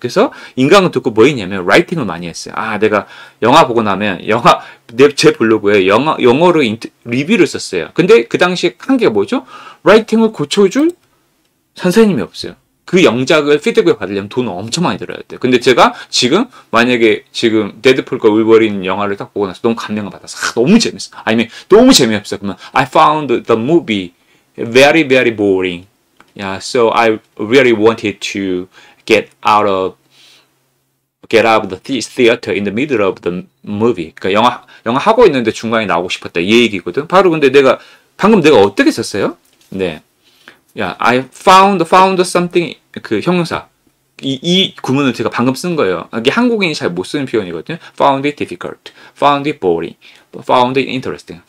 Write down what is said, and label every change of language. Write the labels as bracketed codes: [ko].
[ko] 그래서 인강을 듣고 뭐 했냐면 라이팅을 많이 했어요. 아, 내가 영화 보고 나면 영화 제 블로그에 영어로 리뷰를 썼어요. 근데 그 당시에 한 게 뭐죠? 라이팅을 고쳐줄 선생님이 없어요. 그 영작을 피드백 받으려면 돈 엄청 많이 들어야 돼요. 근데 제가 지금 만약에 지금 데드풀과 울버린 영화를 딱 보고 나서 너무 감명을 받아서 아, 너무 재밌어. 아니면 너무 재미없어. 그러면 [en] I found the movie very very boring. Yeah, so I really wanted to get out of the theater in the middle of the movie. [ko] 그러니까 영화 하고 있는데 중간에 나오고 싶었다. 이 얘기거든. 바로 근데 내가 방금 어떻게 썼어요? 네. [en] Yeah, I found something, [ko] 그, 형용사. 이 구문을 제가 방금 쓴 거예요. 이게 한국인이 잘 못 쓰는 표현이거든요. [en] Found it difficult. Found it boring. Found it interesting.